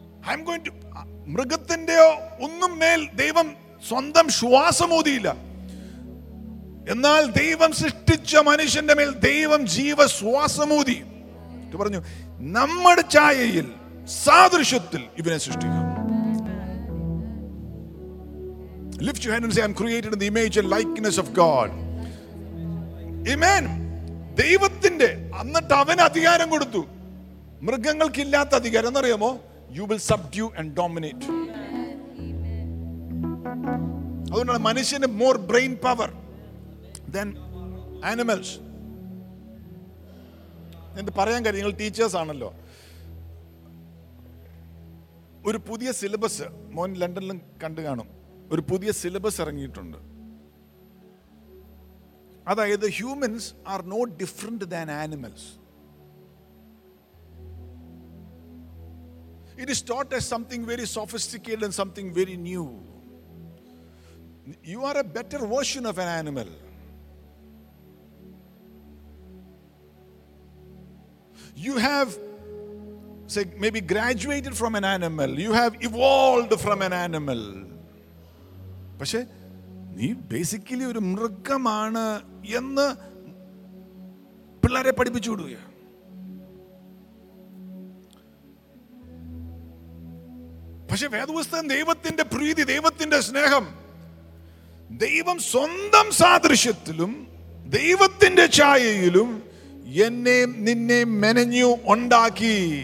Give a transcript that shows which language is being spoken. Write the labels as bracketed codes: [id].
[en] I am going to [ml] മൃഗത്തിന്റെയോ ഒന്നും മേൽ ദൈവം സ്വന്തം ശ്വാസമൂതിയില്ല. എന്നാൽ ദൈവം സൃഷ്ടിച്ച മനുഷ്യന്റെ മേൽ ദൈവം ജീവ ശ്വാസമൂതി പറഞ്ഞു, നമ്മുടെ ഛായയിൽ സാദൃശ്യത്തിൽ ഇവനെ സൃഷ്ടിക്കും. [en] Lift your hand and say, I'm created in the image and likeness of God. Amen. [ml] ദൈവത്തിന്റെ അന്നിട്ട് അവന് അധികാരം കൊടുത്തു. മൃഗങ്ങൾക്ക് ഇല്ലാത്ത അധികാരം എന്നറിയാമോ? [en] You will subdue and dominate. [ml] അതുകൊണ്ടാണ് മനുഷ്യന് [en] more brain power than animals. [ml] എന്ത് പറയാൻ കാര്യം, നിങ്ങൾ ടീച്ചേഴ്സ് ആണല്ലോ. ഒരു പുതിയ സിലബസ്, മോൻ ലണ്ടനിലും കണ്ടു കാണും, ഒരു പുതിയ സിലബസ് ഇറങ്ങിയിട്ടുണ്ട്. [en] അതായത് humans are not different than animals. It is taught as something very sophisticated and something very new. You are a better version of an animal. You have, say, maybe graduated from an animal. You have evolved from an animal. [ml] പക്ഷെ നീ basically ഒരു മൃഗമാണ് എന്ന് പിള്ളേരെ പഠിപ്പിച്ചു വിടുക. പക്ഷെ വേദപുസ്തകം ദൈവത്തിന്റെ പ്രീതി, ദൈവത്തിന്റെ സ്നേഹം, ദൈവം സ്വന്തം സാദൃശ്യത്തിലും ദൈവത്തിന്റെ ഛായയിലും എന്നെ നിന്നെ മെനഞ്ഞു ഉണ്ടാക്കി.